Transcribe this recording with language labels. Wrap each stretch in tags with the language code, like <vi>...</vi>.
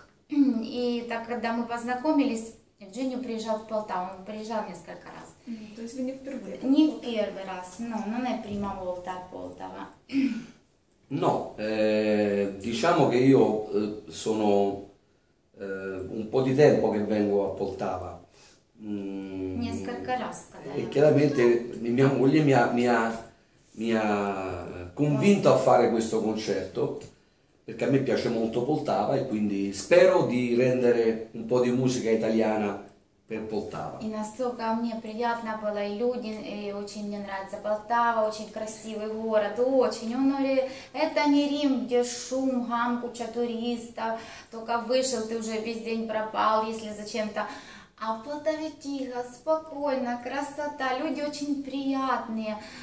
<ru>И так, когда мы познакомились, Евгений приезжал в Полтаву, он приезжал несколько раз. То есть вы не впервые? Не в первый раз, но не</ru> <it>prima volta</it> <ru>в Полтаву.</ru> <it>No, diciamo che io sono un po' di tempo che vengo a Poltava.</it> <ru>Несколько раз,</ru> <it>E chiaramente mia moglie mi ha convinto a fare questo concerto. Perché a me piace molto Poltava e quindi spero di rendere un po' di musica italiana per Poltava.</it> <ru>E настолько мне приятно было и люди, и очень мне нравится Полтава, очень красивый город, очень. Он говорит, это не Рим, где шум, гам, куча туристов, только вышел, ты уже весь день пропал, если зачем-то. А в Полтаве тихо, спокойно, красота, люди очень приятные.</ru>